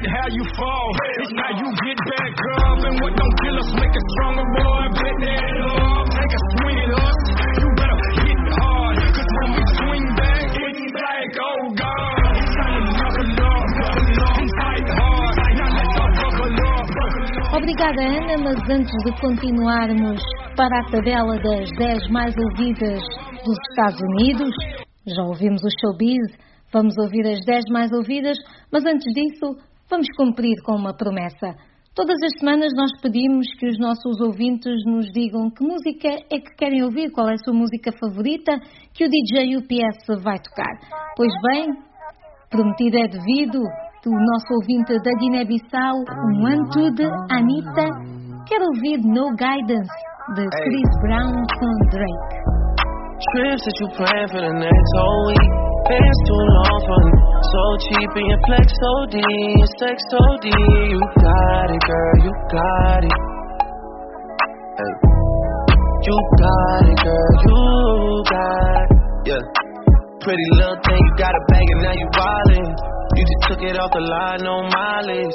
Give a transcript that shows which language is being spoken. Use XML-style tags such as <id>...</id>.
<en>You fall, it's how you get back up, and what don't kill us make us stronger, boy. Bet that love, take a swing at us, you better hit hard, cause when we swing back, it's like, oh God, it's time to knuckle up, knuckle up, fight hard, now let's all buckle up.</en> <pt>Obrigada, Ana, mas antes de continuarmos para a tabela das 10 mais ouvidas dos Estados Unidos, já ouvimos o showbiz, vamos ouvir as 10 mais ouvidas, mas antes disso, vamos cumprir com uma promessa. Todas as semanas nós pedimos que os nossos ouvintes nos digam que música é que querem ouvir, qual é a sua música favorita que o DJ UPS vai tocar. Pois bem, prometido é devido, do nosso ouvinte da Guiné-Bissau, Antude Anita, quer ouvir No Guidance, de Chris Brown com Drake.</pt> <en>It's too long for me. So cheap and your flex OD, your sex OD. You got it, girl, you got it. Hey. You got it, girl, you got it. Yeah. Pretty little thing, you got a bag and now you wildin'. You just took it off the line, no mileage.</en>